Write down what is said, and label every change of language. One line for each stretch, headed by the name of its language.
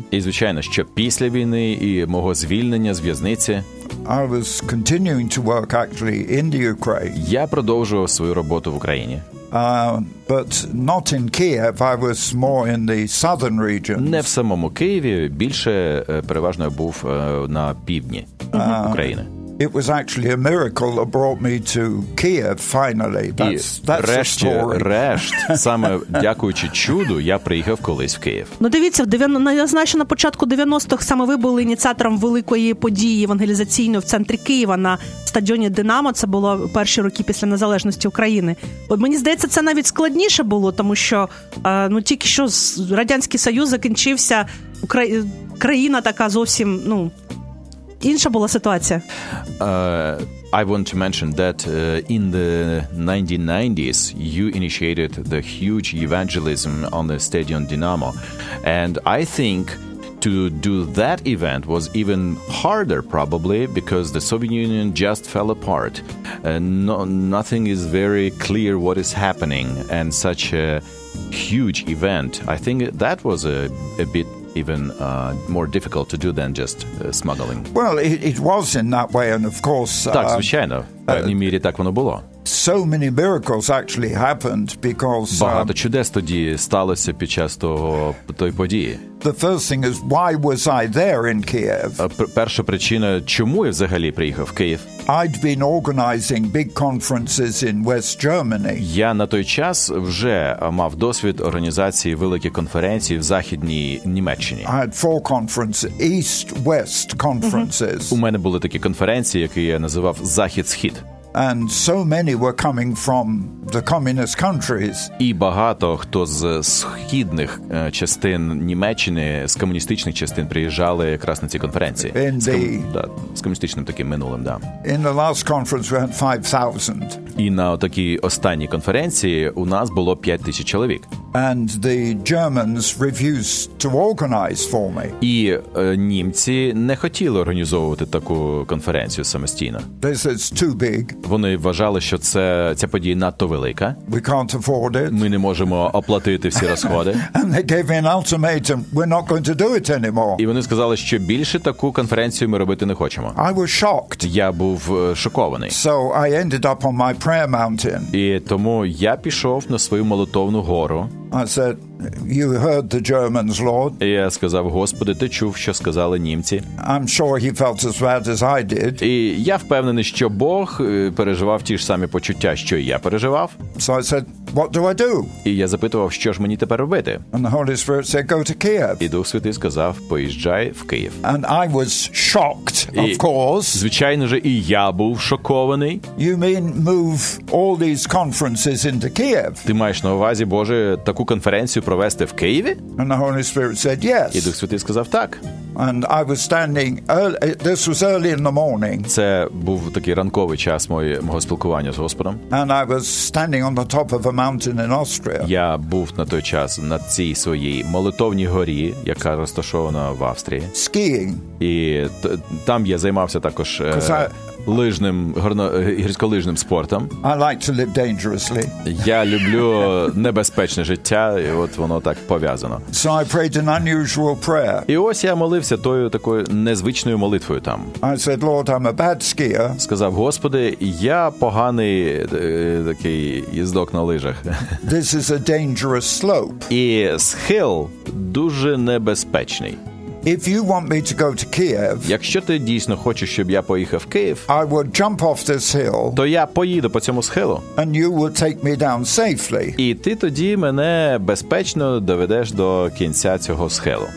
Ukrainian: І звичайно, що після війни і мого звільнення з в'язниці.
English: I was continuing to work actually in the Ukraine.
Ukrainian: Я продовжував свою роботу в Україні.
English: But not in Kiev, I was more in the southern region.
Ukrainian: Не в самому Києві, більше переважно був на півдні України.
English: It was actually a miracle that brought me to Kiev finally.
Ukrainian: Врешті-решт, саме дякуючи чуду, я приїхав колись в Київ. Ну дивіться, значно на початку 90-х саме ви були ініціатором великої події евангелізаційної в центрі Києва на стадіоні «Динамо». Це було перші роки після незалежності України. От мені здається, це навіть складніше було, тому що тільки що Радянський Союз закінчився, країна така зовсім, ну, інша була ситуація.
English: I want to mention that in the 1990s, you initiated the huge evangelism on the Stadion Dinamo. And I think to do that event was even harder, probably, because the Soviet Union just fell apart. Nothing is very clear what is happening. And such a huge event, I think that was a bit even more difficult to do than just smuggling. Well, it was in that way, and of course...
Ukrainian: Так, звичайно. В певній мірі так воно було.
English: So many miracles actually happened because...
Ukrainian: Багато чудес тоді сталося під час тої події.
English: The first thing is, why was I there in Kiev?
Ukrainian: Перша причина, чому я взагалі приїхав в Київ?
English: I'd been organizing big conferences in West Germany.
Ukrainian: Я на той час вже мав досвід організації великих конференцій в Західній Німеччині.
English: I had four conferences, East-West conferences.
Ukrainian: У мене були такі конференції, які я називав «Захід-Схід».
English: And so many were coming from the communist countries.
Ukrainian: І багато хто з східних частин Німеччини, з комуністичних частин приїжджали якраз на ці конференції. З комуністичним таким минулим, да.
English: In the last conference we had 5,000.
Ukrainian: І на такій останній конференції у нас було 5,000 чоловік.
English: And the Germans refused to organize for me.
Ukrainian: І німці не хотіли організовувати таку конференцію самостійно.
English: They said it's too big.
Ukrainian: Вони вважали, що ця подія надто велика.
English: We can't afford it.
Ukrainian: Ми не можемо оплатити всі розходи.
English: And they gave me an ultimatum. We're not going to do it anymore.
Ukrainian: І вони сказали, що більше таку конференцію ми робити не хочемо.
English: I was shocked.
Ukrainian: Я був шокований.
English: So I ended up on my prayer mountain.
Ukrainian: І тому я пішов на свою молитовну гору.
English: I said, you heard the Germans, Lord.
Ukrainian: Я сказав, Господи, ти чув, що сказали німці.
English: I'm sure he felt as bad as I did.
Ukrainian: І я впевнений, що Бог переживав ті ж самі почуття, що і я переживав.
English: So I said, what do I do?
Ukrainian: І я запитував, що ж мені тепер робити?
English: And the Holy Spirit said, go to Kiev.
Ukrainian: І Дух Святий сказав, поїжджай в Київ.
English: And I was shocked, of course.
Ukrainian: Звичайно же, і я був шокований.
English: You mean move all these conferences into Kiev?
Ukrainian: Ти маєш на увазі, Боже, таку конференцію провести в Києві?
English: And the Holy Spirit said, yes.
Ukrainian: І Дух Святий сказав, так.
English: And I was standing early, this was early in the morning.
Ukrainian: Це був такий ранковий час мого спілкування з Господом.
English: And I was standing on the top of a mountain in Austria.
Ukrainian: Я був на той час на цій своїй молитовній горі, яка розташована в Австрії.
English: Skiing.
Ukrainian: І там я займався також лижним, гірськолижним спортом.
English: I like to live dangerously.
Ukrainian: Я люблю небезпечне життя, і от воно так пов'язано.
English: So I prayed an unusual prayer.
Ukrainian: І ось я молився тою такою незвичною молитвою там.
English: I said, Lord, I'm a bad skier.
Ukrainian: Сказав, Господи, я поганий такий їздок на лижах.
English: This is a dangerous slope.
Ukrainian: І схил дуже небезпечний.
English: If you want me to go to Kiev,
Ukrainian: якщо ти дійсно хочеш, щоб я поїхав в Київ,
English: I will jump off this hill,
Ukrainian: то я поїду по цьому схилу,
English: and you will take me down safely.
Ukrainian: І ти тоді мене безпечно доведеш до кінця цього схилу.